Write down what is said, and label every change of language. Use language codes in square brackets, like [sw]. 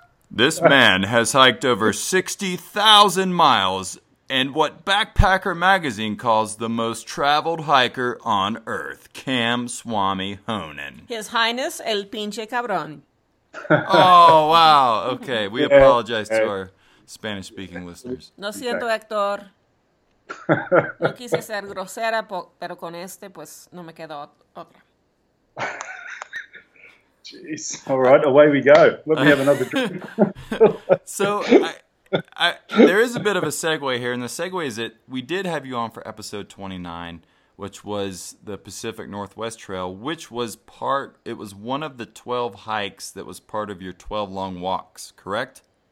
[en] This man has hiked over 60,000 miles in what Backpacker Magazine calls the most traveled hiker on Earth, Cam Swami Honan. His Highness [es] El Pinche Cabron. [en] Oh, wow. Okay, we apologize to our Spanish-speaking listeners. [es] No siento, Hector. No quise ser grosera, pero con este, pues, no me quedo otra. [en] Jeez. All right, away we go. Let me have another drink. So, there is a bit of a segue here, and the segue is that we did have you on for episode 29, which was the Pacific Northwest Trail, which was one of the 12 hikes that was part of your 12 long walks, correct?